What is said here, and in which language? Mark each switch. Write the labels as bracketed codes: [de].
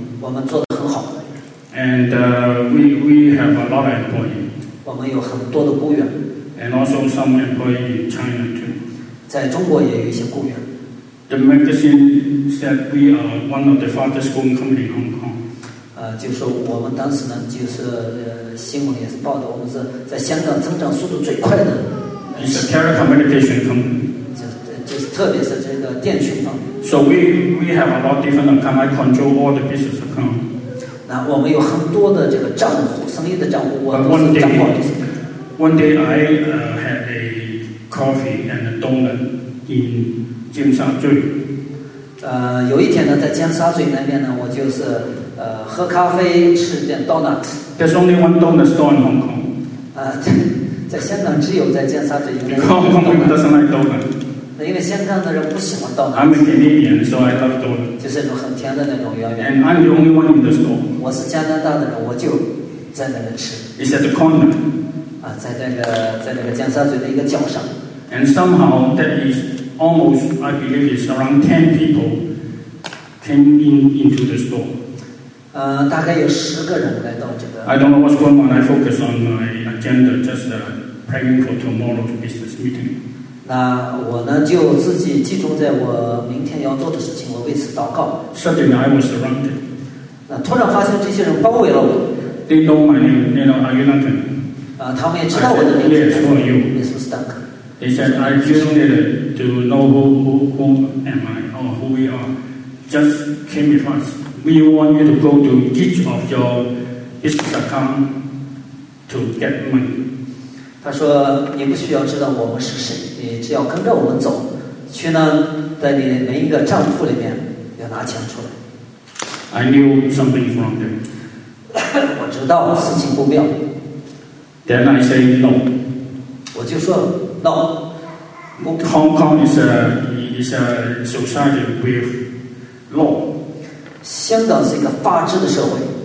[zh] 我们做得很好。 [en] And we have a lot of employees. [zh] 我们有很多的雇员。 [en] And also some employees in China too. [zh] 在中国也有一些雇员。 [en] The magazine said we are one of the fastest growing companies in Hong Kong. [zh] 就是我们当时呢，就是新闻也是报道，我们是在香港增长速度最快的。 [en] It's a telecommunication company. [zh] 就是特别是这个电讯方面。 [en] So we have a lot of different account. I control all the business account. [zh] 那我们有很多的这个账户，生意的账户，我都是掌管。 [en] One day I had a coffee and a donut in. [zh] 尖沙咀有一天呢在尖沙咀那边呢我就是喝咖啡吃点 donut [en] There's only one donut store in Hong Kong [zh] 在香港只有在尖沙咀 [en] Hong Kong people doesn't like donut [zh] 那因为香港的人不喜欢 donut [en] I'm a Canadian so I love donut [zh] 就是很甜的那种圆圆 [en] And I'm the only one in the store [zh] 我是加拿大的人我就在那边吃 [en] It's at the corner [zh] 在那个尖沙咀的一个角上 [en] And somehow that isAlmost, I believe it's around 10 people came into the store. [zh] 大概有十个人来到这个。 [en] I don't know what's going on. I focus on my agenda, just praying for tomorrow's business meeting. [zh] 那我呢就自己集中在我明天要做的事情，我为此祷告。 [en] Suddenly, I was surrounded. [zh] 那突然发现这些人包围了我。 [en] They know my name. They know are you Duncan? [zh] 他们也知道我的名字。 [en] Yes, who are you? Mr. Stark. He said, I just needed to know who am I or who we are. Just came with us. We want you to go to each of your business account to get money. [zh] 他说你不需要知道我们是谁，你只要跟着我们走，去呢，在你每一个账户里面要拿钱出来。 [en] I knew something is wrong there. [zh] 我知道事情不妙。 [en] Then I say no. [zh] 我就说No. [en] Hong Kong is a society with law. [zh] 香港是一个法治的社会。